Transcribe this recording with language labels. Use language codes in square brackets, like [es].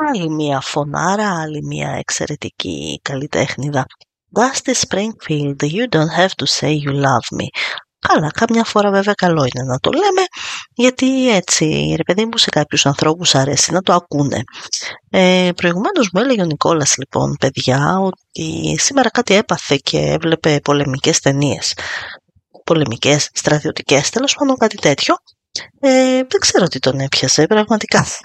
[el] Μια φωνάρα, άλλη μια εξαιρετική καλλιτέχνηδα. [en] Dusty Springfield, you don't have to say you love me. [el] Καλά, καμιά φορά βέβαια καλό είναι να το λέμε, γιατί έτσι, ρε παιδί μου, σε κάποιους ανθρώπους αρέσει να το ακούνε. Προηγουμένως μου έλεγε ο Νικόλας, λοιπόν, παιδιά, ότι σήμερα κάτι έπαθε και έβλεπε πολεμικές ταινίες. Πολεμικές, στρατιωτικές, τέλος πάντων κάτι τέτοιο. Δεν ξέρω τι τον έπιασε, πραγματικά.